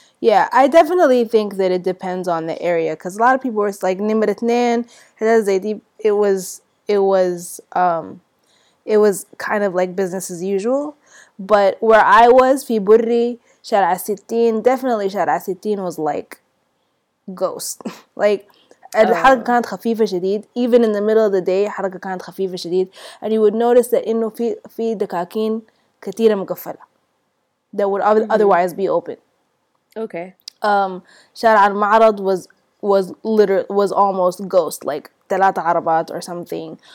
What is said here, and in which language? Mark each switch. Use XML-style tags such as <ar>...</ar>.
<en>Yeah, I definitely think that it depends on the area, because a lot of people were like, Nimr Etnen, Hedaz Zaydi, it was kind of like business as usual. But where I was, في بري, شارع ستين, definitely شارع ستين was like ghost.</en> <ar>Like, الحركة كانت خفيفة شديد.</ar> <en>Even in the middle of the day,</en> <ar>الحركة كانت خفيفة شديد.</ar> <en>And you would notice that</en> <ar>إنه في دكاكين كتيرة مقفلة</ar> <en>that would otherwise be open. Okay. شارع المعرض was almost ghost, like</en> <ar>تلاتة عربات</ar> <en>or something.</en>